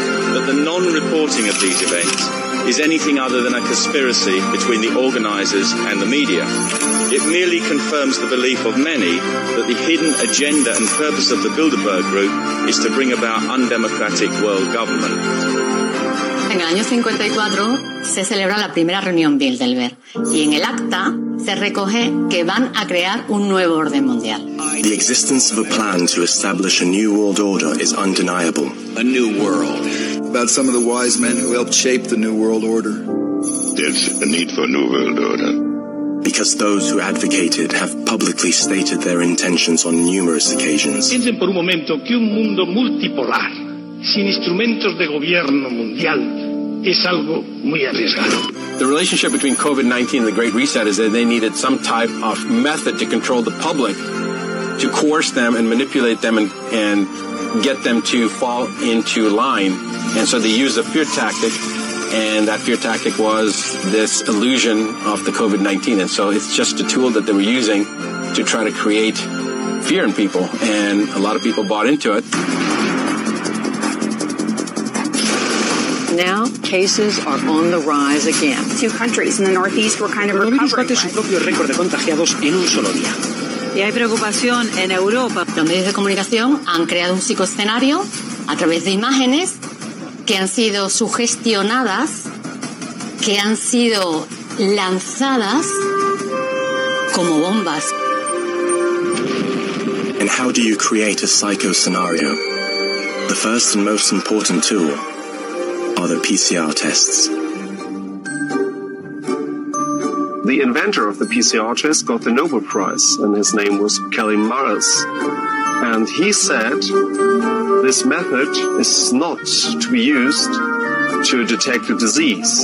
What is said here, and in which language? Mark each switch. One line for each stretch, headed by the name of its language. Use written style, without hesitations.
English: But the non-reporting of these events is anything other than a conspiracy between the organizers and the media. It merely confirms the belief of many that the hidden agenda and purpose of the Bilderberg Group is to bring about undemocratic world government.
Spanish: En el año 54 se celebra la primera reunión Bilderberg y en el acta se recoge que van a crear un nuevo orden mundial.
English: The existence of a plan to establish a new world order is undeniable. A new world. About some of the wise men who helped shape the new world order. There's a need for a new world order. Because those who advocate it have publicly stated their intentions on numerous occasions.
Spanish: Piensen por un momento que un mundo multipolar sin instrumentos de gobierno mundial es algo muy arriesgado.
English: The relationship between COVID-19 and the Great Reset is that they needed some type of method to control the public, to coerce them and manipulate them and get them to fall into line. And so they used a fear tactic, and that fear tactic was this illusion of the COVID-19. And so it's just a tool that they were using to try to create fear in people, and a lot of people bought into it. Now cases are on the rise again. Two countries in the Northeast were kind of recovering.
Spanish: El virus bate su propio récord de contagiados en un solo día. Y hay preocupación en Europa. Los medios de comunicación han creado un psicoescenario a través de imágenes que han sido sugestionadas, que han sido lanzadas como bombas.
English: And how do you create a psycho-scenario? The first and most important tool are the PCR tests. The inventor of the PCR test got the Nobel Prize, and his name was Kelly Marras. And he said, this method is not to be used to detect a disease.